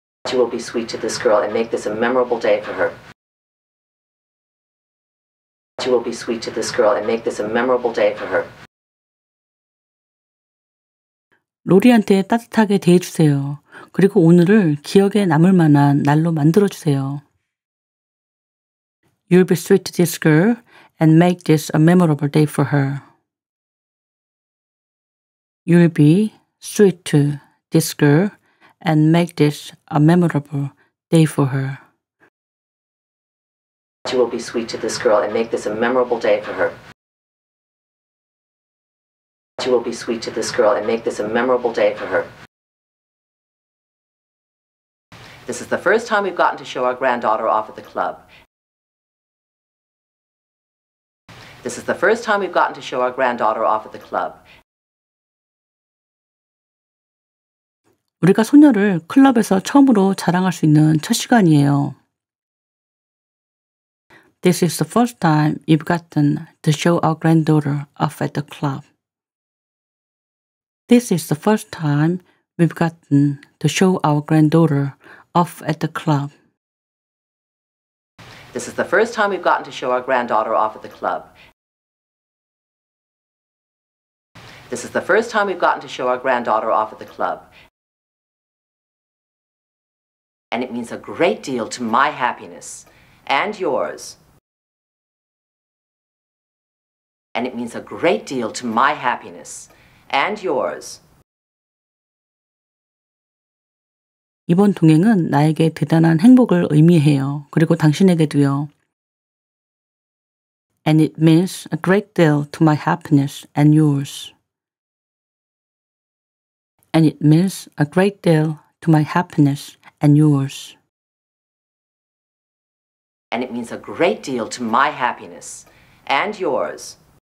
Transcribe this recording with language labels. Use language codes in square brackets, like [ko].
[en] You will be sweet to this girl and make this a memorable day for her. You will be sweet to this girl and make this a memorable day for her. [ko] 로리한테 따뜻하게 대해주세요. 그리고 오늘을 기억에 남을 만한 날로 만들어주세요. [en] You'll be sweet to this girl and make this a memorable day for her. You'll be sweet to this girl and make this a memorable day for her. You will be sweet to this girl and make this a memorable day for her. You will be sweet to this girl and make this a memorable day for her. This is the first time we've gotten to show our granddaughter off at the club. This is the first time we've gotten to show our granddaughter off at the club. [ko] 우리가 소녀를 클럽에서 처음으로 자랑할 수 있는 첫 시간이에요. [en] This is the first time you've gotten to show our granddaughter off at the club. This is the first time we've gotten to show our granddaughter off at the club. This is the first time we've gotten to show our granddaughter off at the club. This is the first time we've gotten to show our granddaughter off at the club. And it means a great deal to my happiness and yours. And it means a great deal to my happiness and yours. [ko] 이번 동행은 나에게 대단한 행복을 의미해요. 그리고 당신에게도요. [en] And it means a great deal to my happiness and yours. And it means a great deal to my happiness and yours. And it means a great deal to my happiness and yours.